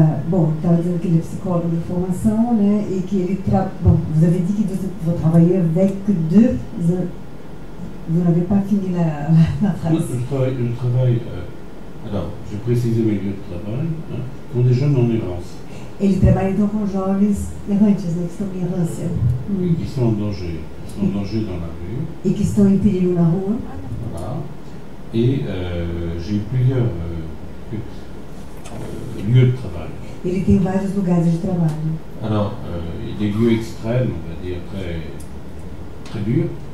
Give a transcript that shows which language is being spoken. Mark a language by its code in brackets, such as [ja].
[pt] Bom, estava dizendo que ele é psicólogo de formação, né? E que ele [fr] vous avez dit que vous travaillez avec deux. Vous n'avez pas fini la phrase. Je travaille. Alors, je précise mes lieux de travail, hein, pour des jeunes en errance. [pt] Ele trabalha então com jovens errantes, né? Que estão em errância. [fr] Oui, qui sont en danger. Qui sont en danger dans la rue. Et qui sont en péril dans la rue. Voilà. Et j'ai eu plusieurs lieux de travail. Il y a plusieurs lieux de travail. Alors, il y a des lieux extrêmes, on va dire, très durs.